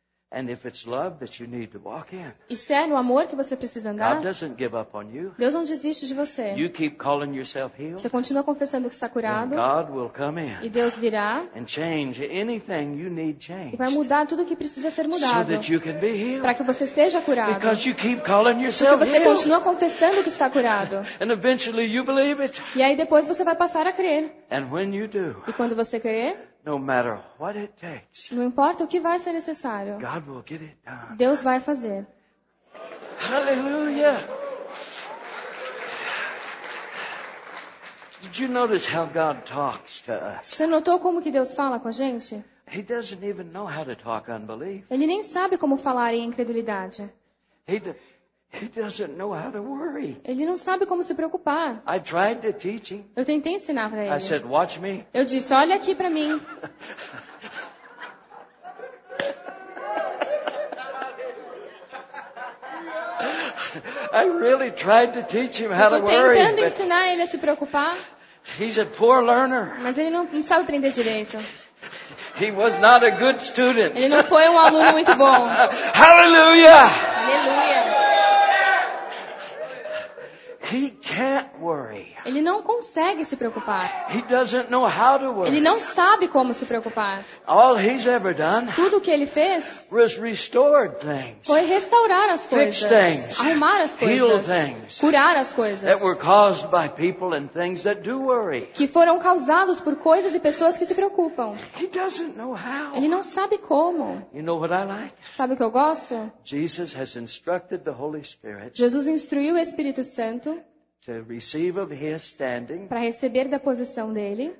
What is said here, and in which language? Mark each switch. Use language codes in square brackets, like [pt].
[en] And if it's love that you need to walk in, [pt] e se é no amor que você precisa andar, [en] God doesn't give up on you. [pt] Deus não desiste de você. [en] You keep calling yourself healed, [pt] você continua confessando que está curado. [en] Then God will come in, [pt] e Deus virá. [en] And change anything you need changed, [pt] e vai mudar tudo que precisa ser mudado. [en] So that you can be healed. [pt] Para que você seja curado. [en] Because you keep calling yourself [pt] porque você [en] healed. [pt] Continua confessando que está curado. [en] And eventually you believe it. [pt] E aí depois você vai passar a crer. [en] And when you do, [pt] e quando você crer, [en] no matter what it takes, [pt] não importa o que vai ser necessário, [en] God will get it done. [pt] Deus vai fazer. [en] Hallelujah. Did you notice how God talks to us? [pt] Você notou como que Deus fala com a gente? [en] He doesn't even know how to talk unbelief. [pt] Ele nem sabe como falar em incredulidade. [en] He doesn't know how to worry. [pt] Ele não sabe como se preocupar. [en] I tried to teach him. [pt] Eu tentei ensinar para ele. [en] I said, "Watch me." [pt] Eu disse, olha aqui para mim. [en] I really tried to teach him how to worry. [pt] Eu tentei ensinar ele a se preocupar. [en] He's a poor learner. [pt] Mas ele não sabe aprender direito. [en] He was not a good student. [pt] Ele não foi aluno muito bom. [en] Hallelujah. Hallelujah. He can't worry. [pt] Ele não consegue se preocupar. [en] He doesn't know how to worry. [pt] Ele não sabe como se preocupar. [en] All he's ever done, [pt] tudo que ele fez, [en] was restored things, [pt] foi restaurar as coisas, [en] fix things, [pt] arrumar as coisas, [en] heal things, [pt] curar as coisas, [en] that were caused by people and things that do worry, [pt] que foram causados por coisas e pessoas que se preocupam. [en] He doesn't know how. [pt] Ele não sabe como. [en] You know what I like? [pt] Sabe o que eu gosto? [en] Jesus has instructed the Holy Spirit. [pt] Jesus instruiu o Espírito Santo [en] to receive of his standing, [pt] para receber da posição dele,